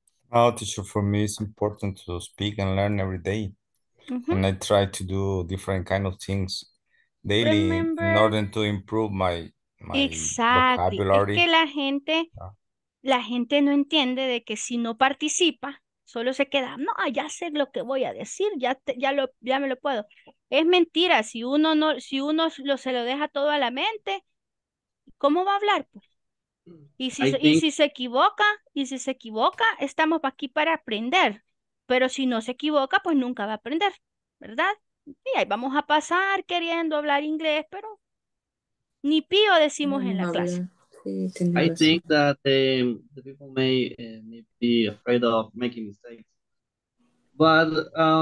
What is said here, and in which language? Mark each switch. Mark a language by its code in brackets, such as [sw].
[en] Oh, teacher, for me it's important to speak and learn every day. Mm-hmm. And I try to do different kind of things daily. Remember... in order to improve my exactly. vocabulary. [es] Es que la gente no entiende de que si no participa, solo se queda, no, ya sé lo que voy a decir, ya me lo puedo. Es mentira, si uno se lo deja todo a la mente, ¿cómo va a hablar? Pues? Y si se equivoca, estamos aquí para aprender, pero si no se equivoca, pues nunca va a aprender, ¿verdad? Y ahí vamos a pasar queriendo hablar inglés, pero ni pío decimos en la clase. [en] I think that the people may be afraid of making mistakes, but